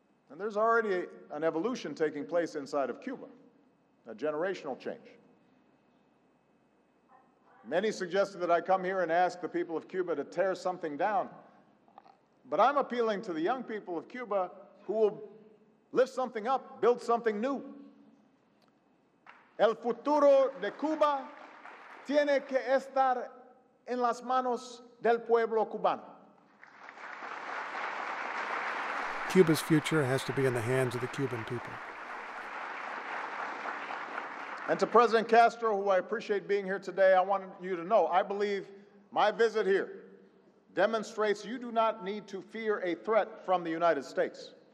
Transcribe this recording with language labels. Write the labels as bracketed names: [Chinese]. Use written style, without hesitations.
[English] And there's already an evolution taking place inside of Cuba, a generational change. Many suggested that I come here and ask the people of Cuba to tear something down. But I'm appealing to the young people of Cuba who will lift something up, build something new. [Spanish] El futuro de Cuba tiene que estar en las manos del pueblo cubano. [English] Cuba's future has to be in the hands of the Cuban people. And to President Castro, who I appreciate being here today, I want you to know, I believe my visit here demonstrates you do not need to fear a threat from the United States.